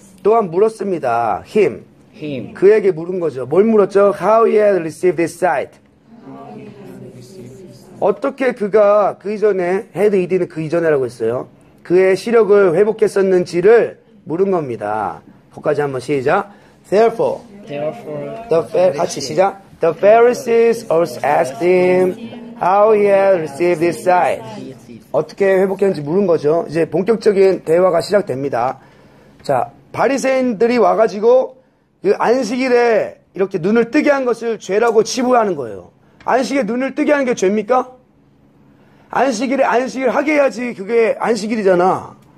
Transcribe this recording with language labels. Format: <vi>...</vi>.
<ko>또한 물었습니다. Him. 그에게 물은 거죠. 뭘 물었죠?</ko> <en>How he had received this sight.</en> <ko>어떻게 그가 그 이전에 헤드 이디는 그 이전에라고 했어요. 그의 시력을 회복했었는지를 물은 겁니다. 거기까지 한번 시작.</ko> <en>The Pharisees also asked him how he had received this sight.</en> <ko>어떻게 회복했는지 물은 거죠. 이제 본격적인 대화가 시작됩니다. 자, 바리새인들이 와가지고 그 안식일에 이렇게 눈을 뜨게 한 것을 죄라고 치부하는 거예요. 안식일에 눈을 뜨게 하는 게 죄입니까? 안식일에 안식일 하게 해야지 그게 안식일이잖아.</ko>